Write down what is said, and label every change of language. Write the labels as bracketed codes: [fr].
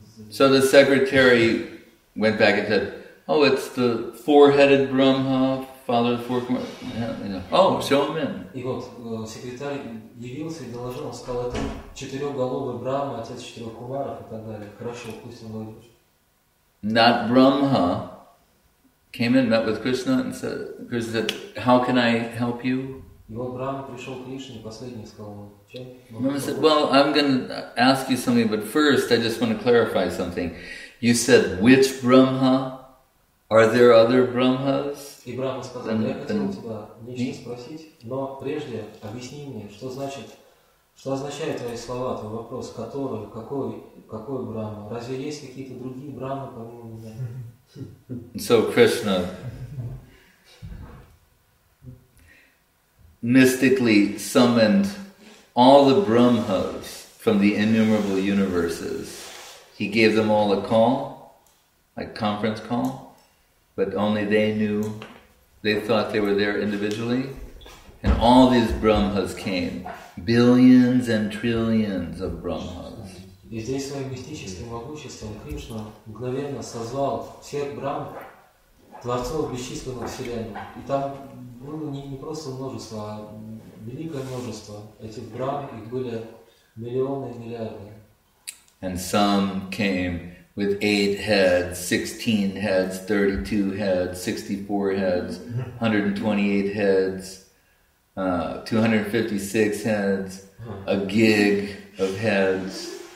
[en] So the secretary went back and said, oh, it's the four-headed Brahma, father of the four Kumaras. Oh, show him in. [ru] Явился и доложил, он сказал, это четырехголовый Брахма, отец четырех кумаров и так далее. Хорошо, пусть он войдет. [en] That Brahma came in, met with Krishna, and said, Krishna said, how can I help you? [ru] И вот Брахма пришел к Кришне, последний сказал, чем? [en] Brahma said, well, I'm going to ask you something, but first I just want to clarify something. You said, which Brahma? Are there other Brahmas? [ru] И Брахма сказал, я хотел тебя нечто спросить, но прежде объясни мне, что означают твои слова, твой вопрос, который, какой Брахма? Разве есть какие-то другие Брахмы помимо меня? [en] So Krishna mystically summoned all the Brahmas from the innumerable universes. He gave them all a call, like conference call, but only they knew. They thought they were there individually. And all these Brahmas came, billions and trillions of Brahmas. [ru] И здесь своим мистическим могуществом Кришна мгновенно созвал всех Брахм, творцов бесчисленных вселенных. И там было не просто множество, а великое множество этих Брахм, их были миллионы и миллиарды. [en] And some came with 8 heads, 16 heads, 32 heads, 64 heads, 128 heads, 256 heads, a gig of heads.